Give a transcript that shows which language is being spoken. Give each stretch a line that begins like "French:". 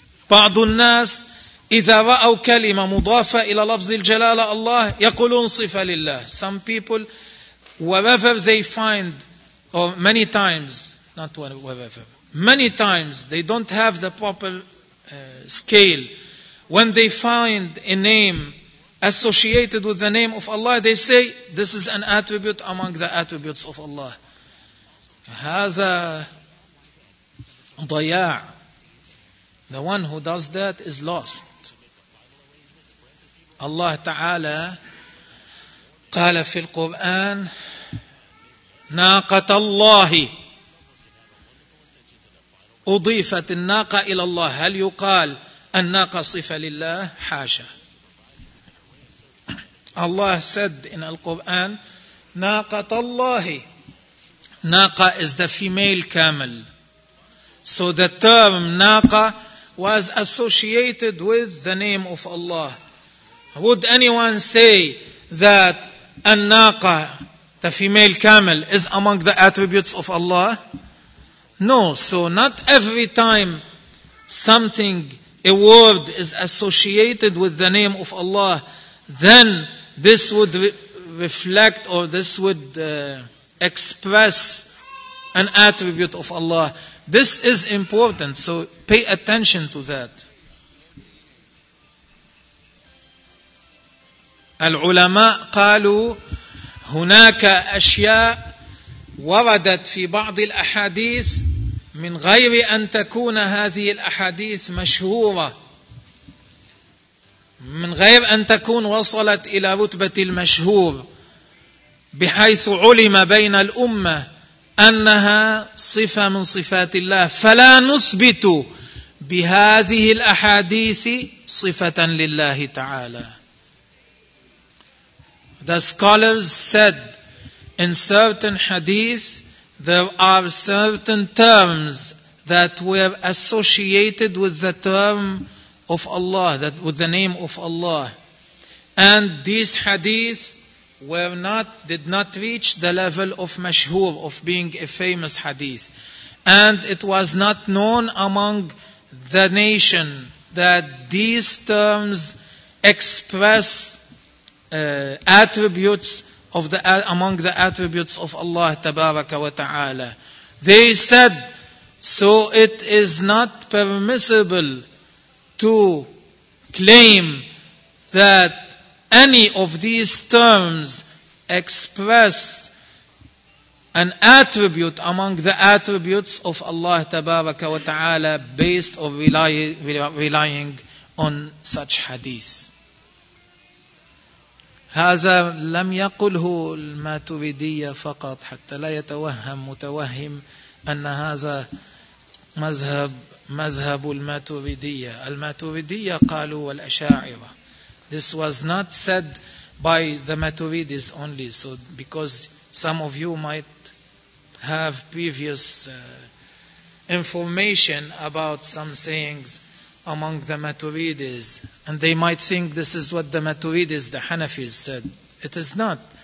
Arabic: بعض الناس إذا رأوا كلمة مضافة إلى لفظ الجلالة الله يقولون صفة لله.
English: Some people, wherever they find, or many times, not wherever, many times they don't have the proper scale. When they find a name associated with the name of Allah, they say, this is an attribute among the attributes of Allah.
Arabic: هذا ضياع.
English: The one who does that is lost.
Arabic: Allah Ta'ala قال في القرآن ناقة الله أضيفت الناقة إلى الله. هل يقال الناقة صفة لله؟ حاشا.
English: Allah said in Al-Quran,
Arabic: ناقة الله.
English: ناقة is the female camel. So the term ناقة was associated with the name of Allah. Would anyone say that الناقة, the female camel, is among the attributes of Allah? No. So not every time something, a word is associated with the name of Allah, then this would reflect or this would express an attribute of Allah. This is important, so pay attention to that.
Arabic: العلماء قالوا هناك أشياء وردت في بعض الأحاديث من غير أن تكون هذه الأحاديث مشهورة, من غير أن تكون وصلت إلى رتبة المشهور, بحيث علم بين الأمة أنها صفة من صفات الله, فلا نثبت بهذه الأحاديث صفة لله تعالى.
English: The scholars said, in certain hadith, there are certain terms that were associated with the term of Allah, that with the name of Allah. And these hadith did not reach the level of mashhur, of being a famous hadith. And it was not known among the nation that these terms express attributes of the among the attributes of Allah Tabaraka wa Ta'ala. They said, so it is not permissible to claim that any of these terms express an attribute among the attributes of Allah Tabaraka wa Ta'ala based or relying on such hadith.
Arabic: هذا لم يقله الماتريدية فقط حتى لا يتوهم متوهم أن هذا مذهب الماتريدية. الماتريدية قالوا والأشاعرة.
English: This was not said by the Maturidis only. So because some of you might have previous information about some sayings among the Maturidis, and they might think this is what the Maturidis, the Hanafis, said. It is not.